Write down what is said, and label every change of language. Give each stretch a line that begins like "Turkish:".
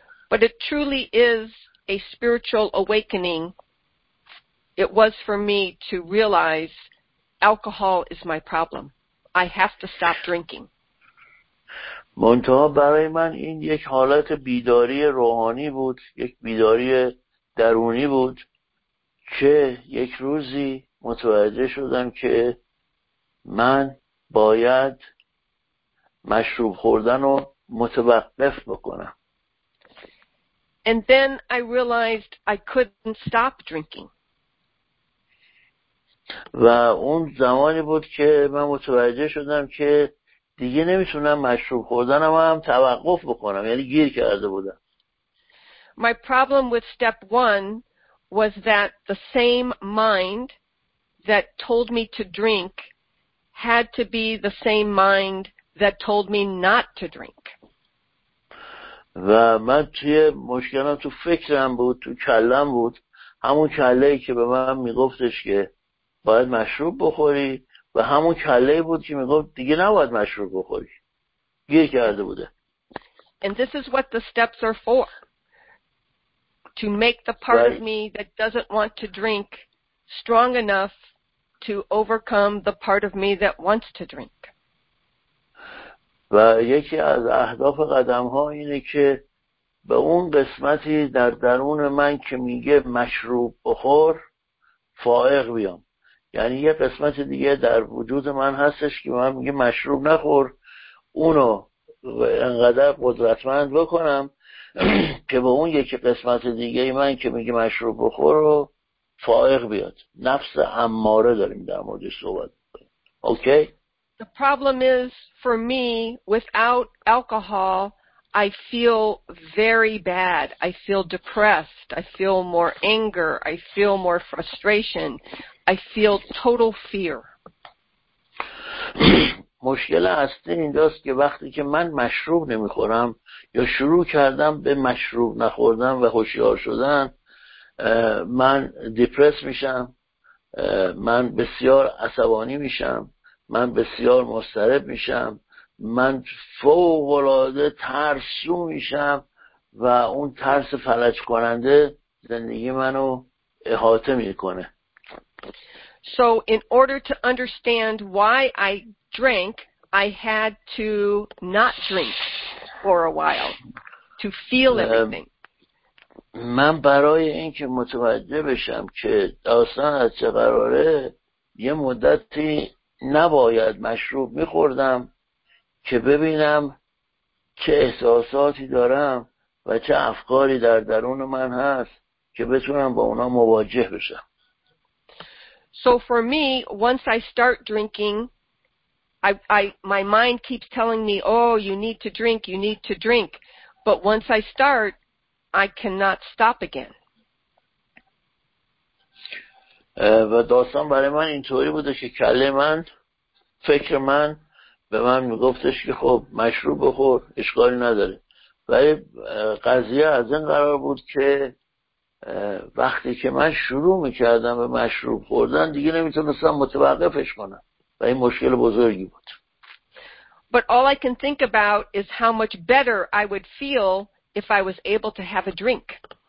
English: But it truly is a spiritual awakening. It was for me to realize alcohol is my problem. I have to stop drinking.
Persian: منتها برای من این یک حالت بیداری روحانی بود، یک بیداری درونی بود که یک روزی متوجه شدم که من باید مشروب خوردن رو متوقف بکنم.
English: And then I realized I couldn't stop drinking.
Persian: و اون زمانی بود که من متوجه شدم که دیگه نمیتونم مشروب خوردنم هم توقف بکنم، یعنی گیر کرده بودم.
English: My problem with step one was that the same mind that told me to drink had to be the same mind that told me not to drink.
Persian: و من توی مشکلم تو فکرم بود، تو کلم بود، همون کلهی که به من میگفتش که باید مشروب بخوری و همون کلهی بود که میگفت دیگه نباید مشروب بخوری، گیر کرده بوده.
English: And this is what the steps are for. To make the part of me that doesn't want to drink strong enough to overcome the part of me that wants to drink.
Persian: و یکی از اهداف قدم ها اینه که به اون قسمتی در درون من که میگه مشروب بخور فائق بیام. یعنی یه قسمت دیگه در وجود من هستش که من میگه مشروب نخور، اونو انقدر قدرتمند بکنم که به اون یکی قسمت دیگه من که میگه مشروب بخور رو فائق بیاد. نفس اماره داریم در موردش صحبت بکنیم.
English: Okay? The problem is, for me, without alcohol, I feel very bad. I feel depressed. I feel more anger. I feel more frustration. I feel total fear.
Persian: مشکل اصلی اینجاست که وقتی که من مشروب نمیخورم یا شروع کردم به مشروب نخوردن و هوشیار شدن، من دیپرس میشم، من بسیار عصبانی میشم، من بسیار مضطرب میشم، من فوق العاده ترسو میشم و اون ترس فلج کننده زندگی منو احاطه میکنه.
English: So in order to understand why I drank, I had to not drink for a while to feel everything.
Persian: من برای اینکه متوجه بشم که داستان از چه قراره، یه مدتی نباید مشروب میخوردم که ببینم چه احساساتی دارم و چه افکاری در درون من هست که بتونم با اونا مواجه بشم.
English: So for me, once I start drinking, my mind keeps telling me, oh, you need to drink, you need to drink. But once I start, I cannot stop again.
Persian: و داستان برای من اینطوری بوده که کله من، فکر من به من میگفتش که خب مشروب بخور، اشکالی نداره. ولی قضیه از این قرار بود که وقتی که من شروع میکردم به مشروب خوردن، دیگه نمیتونستم متوقفش کنم و این مشکل بزرگی بود.
English: But all I can think about is how much better I would feel if I was able to have a drink.